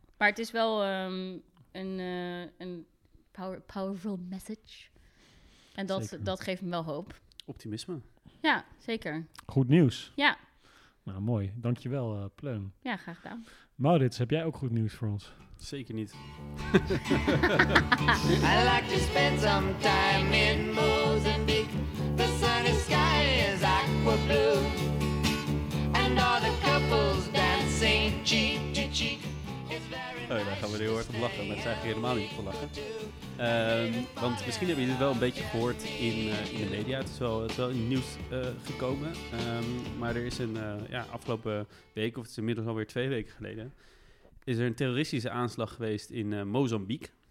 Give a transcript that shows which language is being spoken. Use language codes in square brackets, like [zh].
[nl] maar het is wel een [en] powerful message. [nl] En dat geeft me wel hoop. Optimisme. Ja, zeker. Goed nieuws. Ja. Nou, mooi. Dankjewel, Pleun. Ja, graag gedaan. Maurits, heb jij ook goed nieuws voor ons? Zeker niet. [en] I like to spend some time in Mozambique. The sunny sky is aqua blue. And all the couples dancing cheek to cheek. [nl] Oh, daar gaan we heel hard op lachen, maar het is eigenlijk helemaal niet op lachen. Want misschien hebben jullie het wel een beetje gehoord in de media. Het is wel in het nieuws gekomen. Maar er is afgelopen week, of het is inmiddels alweer 2 weken geleden, is er een terroristische aanslag geweest in Mozambique.